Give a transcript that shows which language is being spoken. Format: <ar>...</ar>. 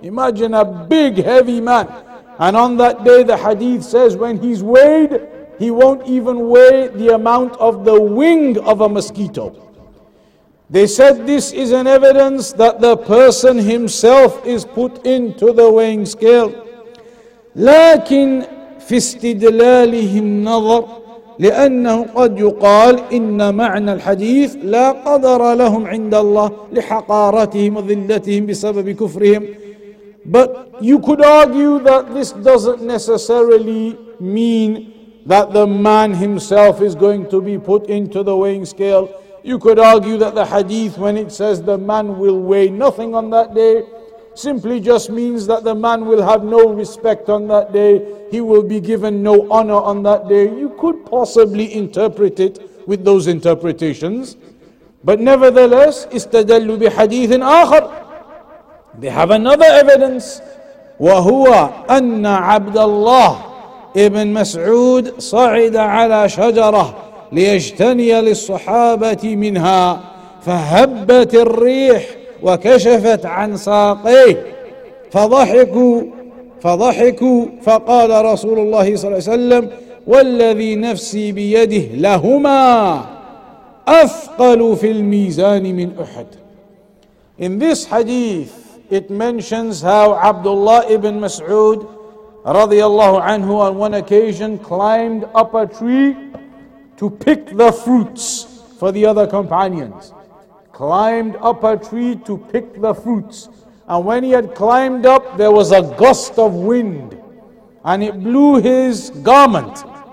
<en>Imagine a big, heavy man. And on that day, the hadith says, when he's weighed, he won't even weigh the amount of the wing of a mosquito. They said this is an evidence that the person himself is put into the weighing scale.</en> <ar>لكن في استدلالهم نظر لأنه قد يقال إن معنى الحديث لا قدر لهم عند الله لحقارتهم وذلتهم بسبب كفرهم.</ar> <en>But you could argue that this doesn't necessarily mean that the man himself is going to be put into the weighing scale. You could argue that the hadith, when it says the man will weigh nothing on that day, simply just means that the man will have no respect on that day. He will be given no honor on that day. You could possibly interpret it with those interpretations. But nevertheless,</en> <ar>استدلوا بحديث آخر.</ar> <en>They have another evidence.</en> <ar>وهو أن عبد الله ابن مسعود صعد على شجرة ليجتني للصحابة منها فهبت الريح وكشفت عن ساقيه فضحكوا فقال رسول الله صلى الله عليه وسلم والذي نفسي بيده لهما أثقل في الميزان من أحد.</ar> <en>In this hadith, it mentions how Abdullah ibn Mas'ud radiallahu anhu on one occasion climbed up a tree to pick the fruits for the other companions. Climbed up a tree to pick the fruits. And when he had climbed up, there was a gust of wind and it blew his garment.</en>